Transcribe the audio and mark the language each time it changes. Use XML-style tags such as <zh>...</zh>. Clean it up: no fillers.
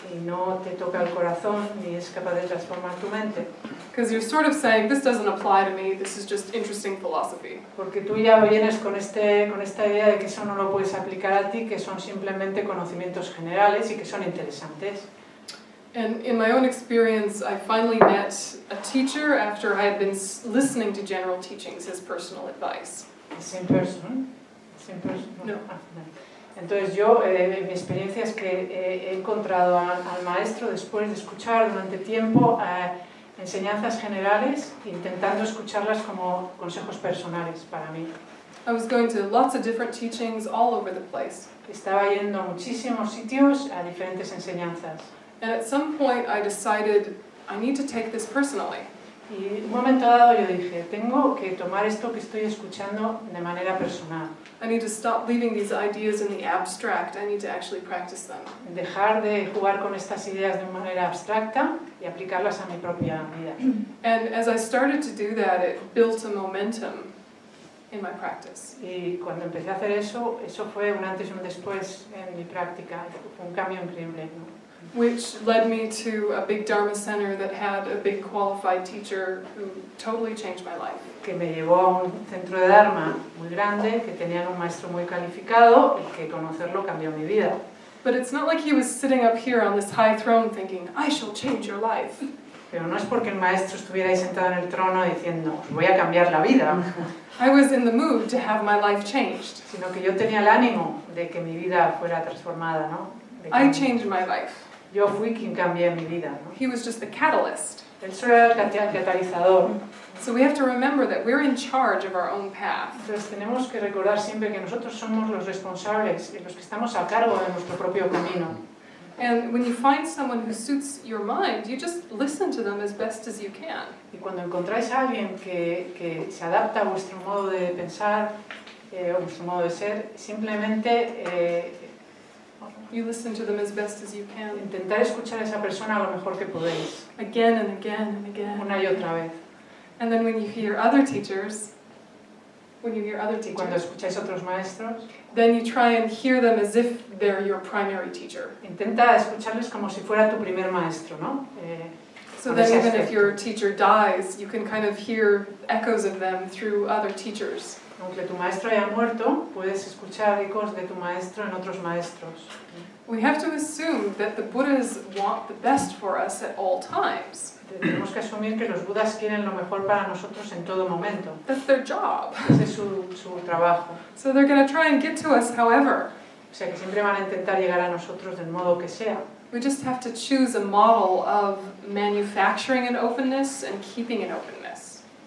<es>Y no te toca el corazón ni es capaz de transformar tu mente.</es> <en>Because you're sort of saying this doesn't apply to me. This is just interesting philosophy.</en> <es>Porque tú ya vienes con esta idea de que eso no lo puedes aplicar a ti, que son simplemente conocimientos generales y que son interesantes.</es> <en>And in my own experience, I finally met a teacher after I had been listening to general teachings as personal advice. The same person? No.</en> <es>Entonces yo, mi experiencia es que he encontrado al maestro después de escuchar durante tiempo enseñanzas generales, intentando escucharlas como consejos personales para mí.</es> <en>I was going to lots of different teachings all over the place.</en> <es>Estaba yendo a muchísimos sitios a diferentes enseñanzas.</es> <en>And at some point I decided I need to take this personally.</en> <es>Y un momento dado yo dije, tengo que tomar esto que estoy escuchando de manera personal.</es> <en>I need to stop leaving these ideas in the abstract. I need to actually practice them.</en> <es>Dejar de jugar con estas ideas de manera abstracta y aplicarlas a mi propia vida.</es> <en>And as I started to do that, it built a momentum in my practice.</en> <es>Y cuando empecé a hacer eso, eso fue un antes y un después en mi práctica, un cambio increíble, ¿no?</es> <en>Which led me to a big dharma center that had a big qualified teacher who totally changed my life.</en> <es>Que me llevó a un centro de dharma muy grande, que tenía un maestro muy calificado, y que conocerlo cambió mi vida.</es> <en>But it's not like he was sitting up here on this high throne thinking, I shall change your life.</en> <es>Pero no es porque el maestro estuviera ahí sentado en el trono diciendo, voy a cambiar la vida.</es> <en>I was in the mood to have my life changed.</en> <es>Sino que yo tenía el ánimo de que mi vida fuera transformada, ¿no?</es> <en>I changed my life.</en> <es>Yo fui quien cambié mi vida, ¿no?</es> <en>He was just the catalyst.</en> <es>Él era el catalizador.</es> <en>So we have to remember that we're in charge of our own path.</en> <es>Entonces tenemos que recordar siempre que nosotros somos los responsables y los que estamos a cargo de nuestro propio camino.</es> <en>And when you find someone who suits your mind, you just listen to them as best as you can.</en> <es>Y cuando encontráis a alguien que se adapta a vuestro modo de pensar o vuestro modo de ser, simplemente</es> <en>you listen to them as best as you can.</en> <es>Intentar escuchar a esa persona lo mejor que podéis.</es> <en>Again and again and again.</en> <es>Una y otra vez.</es> <en>And then when you hear other teachers,</en> <es>cuando escucháis otros maestros,</es> <en>then you try and hear them as if they're your primary teacher.</en> <es>Intenta escucharles como si fuera tu primer maestro, ¿no?</es> <en>So then even if your teacher dies, you can kind of hear echoes of them through other teachers.</en> <es>Aunque tu maestro haya muerto, puedes escuchar ecos de tu maestro en otros maestros.</es> <en>We have to assume that the Buddhas want the best for us at all times.</en> <es>Tenemos que asumir que los Budas quieren lo mejor para nosotros en todo momento.</es> <en>That's their job.</en> <es>Ese es su trabajo.</es> <en>So they're going to try and get to us, however.</en> <es>O sea, que siempre van a intentar llegar a nosotros del modo que sea.</es> <en>We just have to choose a model of manufacturing an openness and keeping an openness.</en>